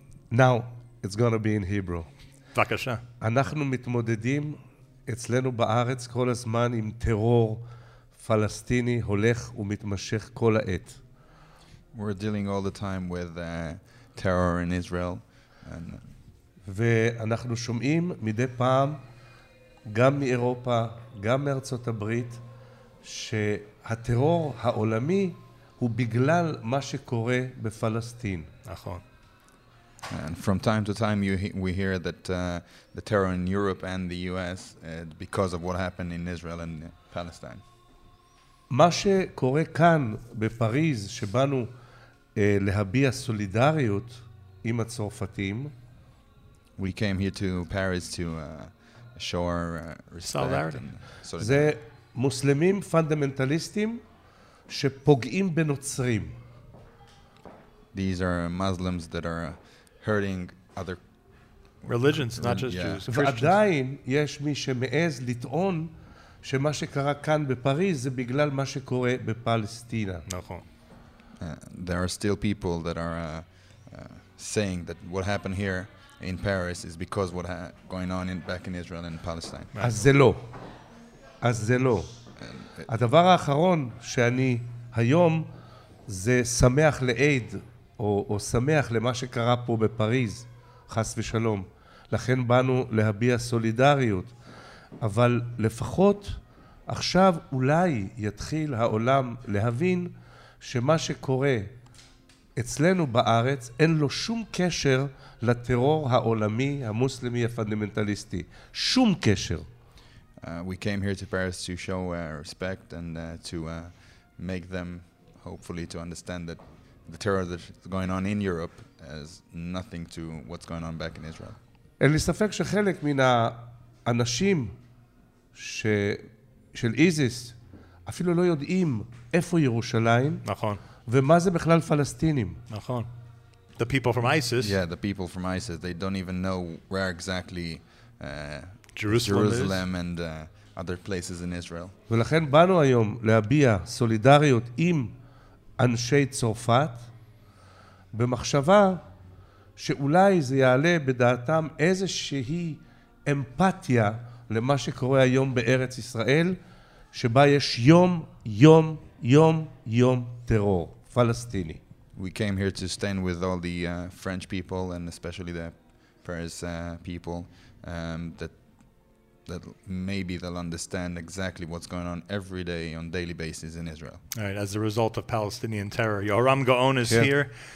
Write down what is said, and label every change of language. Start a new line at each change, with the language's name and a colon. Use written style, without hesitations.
English: Now, it's going to be in Hebrew.
Hebrew: Bakasha. Anachnu mitmodedim etzlenu ba'aretz kol hazman im terror פלסטיני הולך ומתמשך כל העת.
English: We're dealing all the time with terror in Israel. And
Hebrew: ואנחנו שומעים מדי פעם, גם מאירופה, גם מארצות הברית, שהטרור העולמי הוא בגלל מה שקורה בפלסטין. נכון.
English: And from time to time we hear that the terror in Europe and the US because of what happened in Israel and Palestine.
Hebrew: מה שקורה כאן בפריז שבאנו להביע סולידריות עם הצרפתים
English: we came here to Paris to show our respect solidarity. And solidarity.
Hebrew: זה מוסלמים פונדמנטליסטים שפוגעים בנוצרים
English: these are Muslims that are hurting other religions not just Jews
Hebrew: ועדיין יש מי שמעז לטעון שמה שקרה כאן בפריז זה בגלל מה שקורה בפלסטינה. נכון.
English: There are still people that are saying that what happened here in Paris is because what going on in back in Israel and Palestine.
Hebrew: אז זה לא. אז זה לא. הדבר האחרון שאני היום זה שמח לעיד או שמח למה שקרה פה בפריז, חס ושלום. לכן באנו להביע סולידריות. אבל לפחות עכשיו אולי יתחיל העולם להבין שמה שקורה אצלנו בארץ אין לו שום קשר לטרור העולמי המוסלמי הפונדמנטליסטי. שום קשר.
English: We came here to Paris to show respect and to make them hopefully to understand that the terror that's going on in Europe has nothing to what's going on back in Israel.
Hebrew: אין לי ספק שחלק מן האנשים של איזיס אפילו לא יודעים איפה ירושלים. נכון. ומה זה בכלל פלסטינים? נכון.
English: The people from ISIS. Yeah, the people from ISIS, they don't even know where exactly Jerusalem is. And other places in Israel.
Hebrew: ולכן באנו היום להביע סולידריות עם אנשי צרפת במחשבה שאולי זה יעלה בדעתם איזושהי אמפתיה למה שקורה היום בארץ ישראל שבה יש יום יום יום יום טרור פלסטיני.
English: We came here to stand with all the French people and especially the Paris people that maybe they'll understand exactly what's going on every day on daily basis in Israel. All right, as a result of Palestinian terror, Yoram Gaon is here.